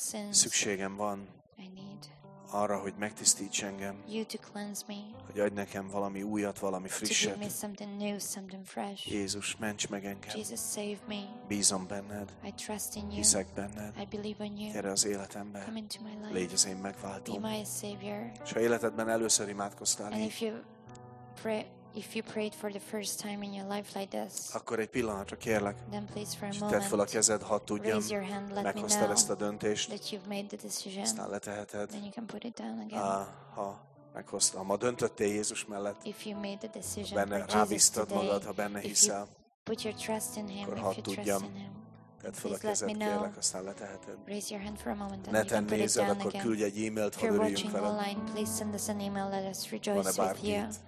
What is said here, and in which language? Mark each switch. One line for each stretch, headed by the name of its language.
Hungarian: Szükségem van arra, hogy megtisztíts engem, hogy adj nekem valami újat, valami frisset.
English: To give me something new, something fresh.
Hungarian: Jézus, ments meg engem.
English: Jesus, save me.
Hungarian: Bízom benned.
English: I trust in you.
Hungarian: Hiszek benned.
English: I believe in you.
Hungarian: Gyere az életembe.
English: Come into my life.
Hungarian: Légy az én megváltom.
English: Be my savior.
Hungarian: És ha életedben először imádkoztál így,
English: if you prayed for the first time in your life like this,
Hungarian: akkor egy pillanatra kérlek,
English: then please for a moment,
Hungarian: tedd fel a kezed, ha tudjam,
English: raise your hand, let me know,
Hungarian: meghoztál ezt a döntést,
English: that you've made the decision,
Hungarian: aztán leteheted,
English: then you can put it down again.
Hungarian: Ha meghoztál, ma döntöttél Jézus mellett,
English: if you made the decision,
Hungarian: benne rábíztad magad, ha benne hiszel,
English: put your trust in him,
Hungarian: akkor ha tudjam, tedd fel a kezed, kérlek, aztán leteheted.
English: Raise your hand for a moment,
Hungarian: ne tenn nézel, akkor küldj egy e-mailt, ha örüljünk veled.
English: Online, please send us an email, let us rejoice with you.